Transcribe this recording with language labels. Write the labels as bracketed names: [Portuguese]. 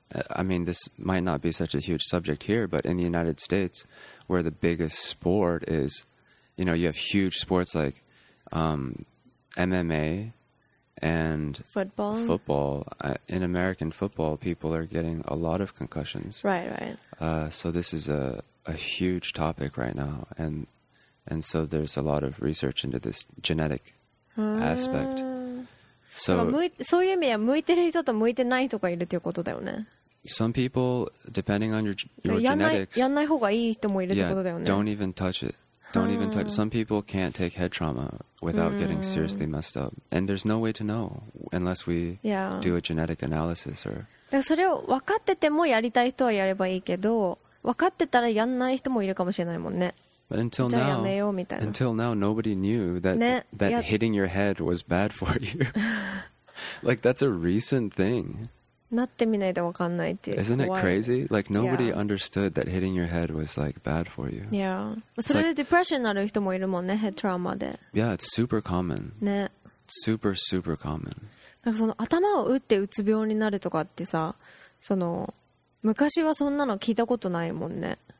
[English] I mean, this might not be such a huge subject here, but in the United States, where the biggest sport is, you know, you have huge sports like MMA and football. Football. In American football, people are getting a lot of concussions. Right, right. So this is a huge topic right now, and so there's a lot of research into this genetic aspect. [Japanese] So, そういう意味では向いてる人と向いてない人がいるということだよね。 [English] Some people, depending on your genetics, [Japanese] やんない方がいい人もいるってことだよね。 [English] Don't even touch it. Don't even touch it. Some people can't take head trauma without getting seriously messed up. And there's no way to know unless we do a genetic analysis or... [Japanese] だからそれを分かっててもやりたい人はやればいいけど、分かってたらやんない人もいるかもしれないもんね。 [English] But until now, [Japanese] じゃあやめようみたいな。 [English] Until now, nobody knew that,、 [Japanese] ね、 [English] that hitting your head was bad for you. Like, that's a recent thing. [Japanese] なってみないと分かんないっていう。 [English] Isn't it crazy? Like nobody understood that hitting your head was like bad for you. Yeah. [Japanese] それでディプレッションになる人もいるもんね、ヘッドトラウマで。 [English] Yeah, it's super common. [Japanese] ね。 [English] Super, super common. [Japanese] だからその頭を打ってうつ病になるとかってさ、その昔はそんなの聞いたことないもんね。